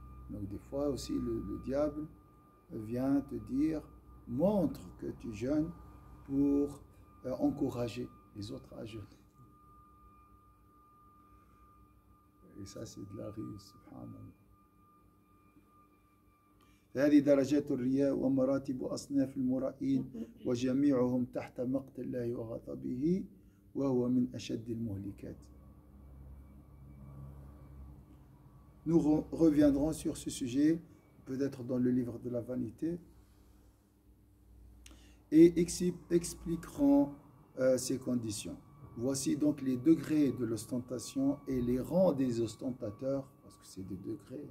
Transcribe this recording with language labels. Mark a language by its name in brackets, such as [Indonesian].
[French] Donc des fois aussi le diable vient te dire « Montre que tu jeûnes pour encourager les autres à jeûner. » Et ça c'est de la ruse, subhanallah. [Arabic] هذه درجات الرياء ومراتب أصناف المرائين وجميعهم تحت مقت الله وغضبه وهو من أشد المهلكات [French] Nous reviendrons sur ce sujet, peut-être dans le livre de la vanité, et expliquerons ces conditions. Voici donc les degrés de l'ostentation et les rangs des ostentateurs, parce que c'est des degrés.